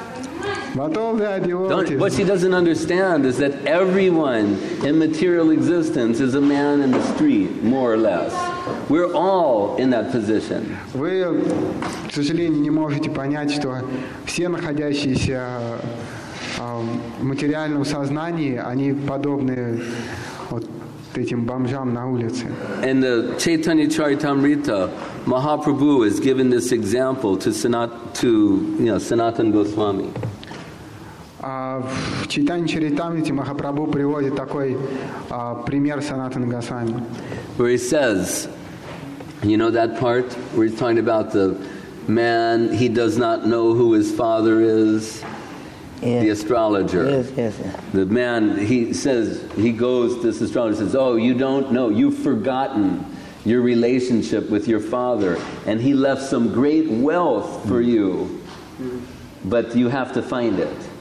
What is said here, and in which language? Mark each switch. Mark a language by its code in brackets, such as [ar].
[en] What she doesn't understand is that everyone in material existence is a man in the street, more or less. We're all in that position. [ru] Вы, к сожалению, не можете понять, что все находящиеся в материальном сознании, они подобны вот этим бомжам на улице. [en] In the Chaitanya Charitamrita, Mahaprabhu has given this example to Sanatan Goswami. [ru] В Чайтанья Чаритамрите Махапрабху приводит такой пример Санатана Госвами. [en] Where he says, you know that part where he's talking about the man, he does not know who his father is, yes. The astrologer. Yes, yes, yes. The man, he says, he goes to this astrologer and says, oh, you don't know, you've forgotten your relationship with your father, and he left some great wealth for you, but you have to find it.